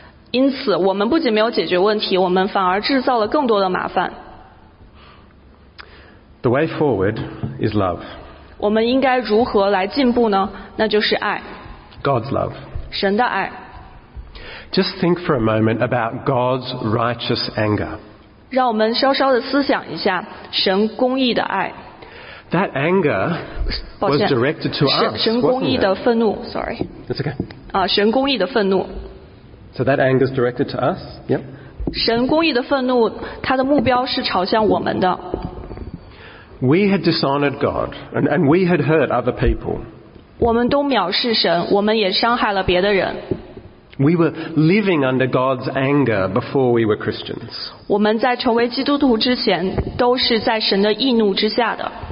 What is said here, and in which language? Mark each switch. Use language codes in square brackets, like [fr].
[zh] 因此，我们不仅没有解决问题，我们反而制造了更多的麻烦。 [en] The way forward is love. [zh] 我们应该如何来进步呢？那就是爱。 [en] God's love. [zh] 神的爱。 [en] Just think for a moment about God's righteous anger. [zh] 让我们稍稍的思想一下神公义的爱。 [en] That anger was directed to us, wasn't it? [zh] 神公义的愤怒 ，sorry. [en] That's okay. [zh] 神公义的愤怒。 [en] So that anger is directed to us. Yep. [zh] 神公义的愤怒，它的目标是朝向我们的。 [en] We had dishonored God, and we had hurt other people. [zh] 我们都藐视神，我们也伤害了别的人。 [en] We were living under God's anger before we were Christians. [zh] 我们在成为基督徒之前，都是在神的义怒之下的。